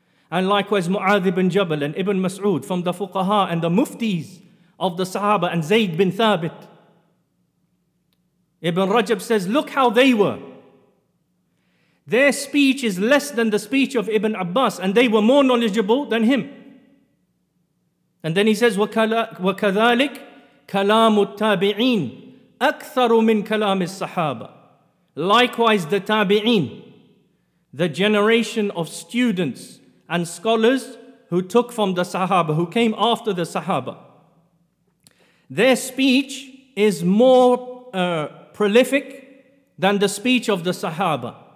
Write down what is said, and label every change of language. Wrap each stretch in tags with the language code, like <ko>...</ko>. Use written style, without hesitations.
<en>And likewise, Mu'adh ibn Jabal and Ibn Mas'ud, from the fuqaha and the muftis of the sahaba, and Zayd bin Thabit. Ibn Rajab says, look how they were. Their speech is less than the speech of Ibn Abbas, and they were more knowledgeable than him. And then he says,</en> <ar>وكذلك كلام التابعين أكثر من كلام الصحابة.</ar> <en>Likewise, the tabi'een, the generation of students and scholars who took from the sahaba, who came after the sahaba, their speech is more prolific than the speech of the sahaba.</en>